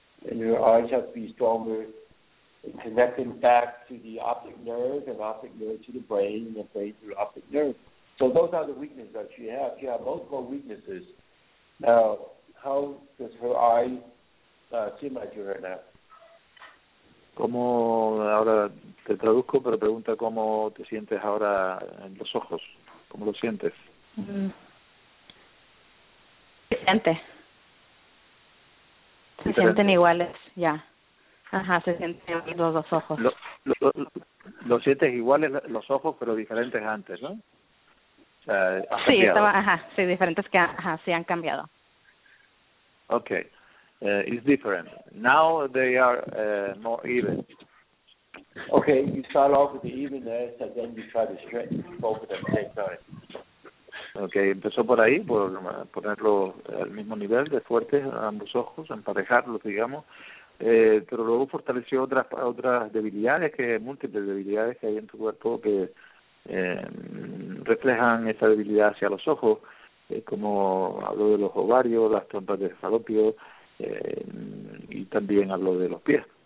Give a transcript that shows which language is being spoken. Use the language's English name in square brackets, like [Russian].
[English] And her eyes have to be stronger and connecting back to the optic nerve and optic nerve to the brain and the brain to the optic nerve. So those are the weaknesses that she has. She has multiple weaknesses. Now, how does her eye seem like you right now? [Spanish] ¿Cómo ahora te traduzco, pero pregunta cómo te sientes ahora en los ojos? ¿Cómo lo sientes? ¿Qué sientes? Se sienten iguales, ya. Ajá, se sienten los dos ojos. Lo sientes iguales los ojos, pero diferentes antes, ¿no? O sea, sí, estaba, ajá, sí, diferentes que, ajá, sí han cambiado. [English] Okay, it's different. Now they are more even. Okay, you start off with the evenness, and then you try to straighten both of them at the same time. [Spanish] Okay, empezó por ahí, por ponerlo al mismo nivel de fuerte ambos ojos, emparejarlos, digamos, pero luego fortaleció otras debilidades, que múltiples debilidades que hay en tu cuerpo que reflejan esa debilidad hacia los ojos, como habló de los ovarios, las trompas de Falopio, y también habló de los pies.